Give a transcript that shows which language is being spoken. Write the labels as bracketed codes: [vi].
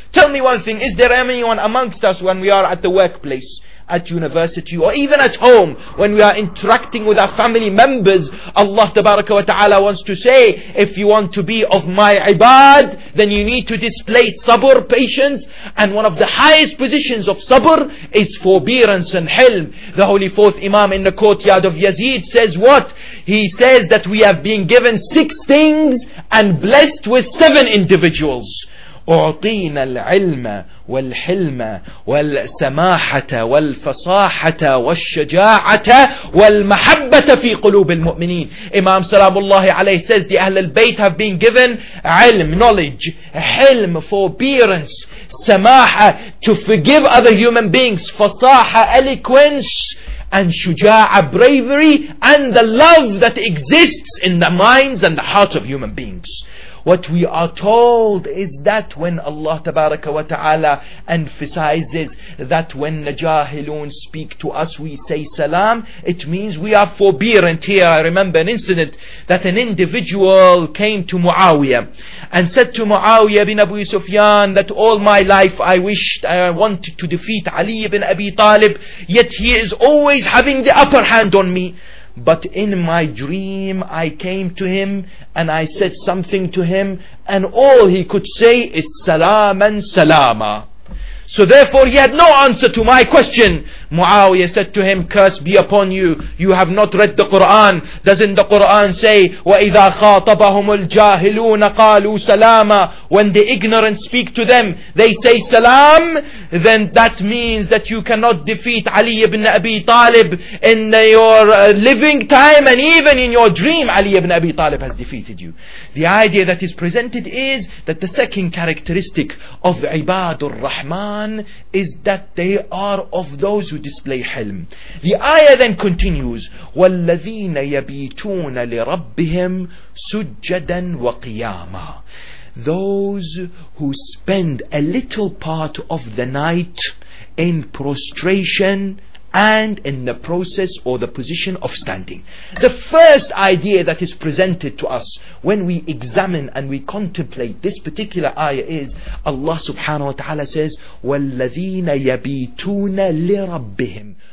[en] Tell me one thing, is there anyone amongst us when we are at the workplace, at university, or even at home, when we are interacting with our family members, Allah tabaraka wa ta'ala wants to say, if you want to be of my ibad, then you need to display sabr, patience. And one of the highest positions of sabr is forbearance and hilm. The Holy Fourth Imam in the courtyard of Yazid says what? He says that we have been given 6 things and blessed with 7 individuals. [ar] أعطينا العلم والحلم والسماحة والفصاحة والشجاعة والمحبة في قلوب المؤمنين. [en] Imam Salamullahi alayhi says the Ahlul Bayt have been given علم, knowledge, حلم, forbearance, سماحة, to forgive other human beings, فصاحة, eloquence, and شجاعة, bravery, and the love that exists in the minds and the hearts of human beings. What we are told is that when Allah tabaraka wa ta'ala emphasizes that when the jahilun speak to us, we say salam, it means we are forbearant. Here I remember an incident that an individual came to Muawiyah and said to Muawiyah bin Abu Sufyan that all my life I wanted to defeat Ali ibn Abi Talib, yet he is always having the upper hand on me. But in my dream, I came to him and I said something to him, and all he could say is salam and salama. So therefore he had no answer to my question. Muawiyah said to him, "Curse be upon you, you have not read the Quran. Doesn't the Quran say, [ar] 'وَإِذَا خَاطَبَهُمُ الْجَاهِلُونَ قَالُوا سَلَامًا'? [en] When the ignorant speak to them, they say salam. Then that means that you cannot defeat Ali ibn Abi Talib in your living time, and even in your dream Ali ibn Abi Talib has defeated you. The idea that is presented is that the second characteristic of Ibadur Rahman is that they are of those who display hilm. The ayah then continues, [ar] وَالَّذِينَ يَبِيتُونَ لِرَبِّهِمْ سُجَّدًا وَقِيَامًا. [en] those who spend a little part of the night in prostration and in the process or the position of standing. The first idea that is presented to us when we examine and we contemplate this particular ayah is Allah subhanahu wa ta'ala says, [ar] وَالَّذِينَ يَبِيتُونَ لِرَبِّهِمْ.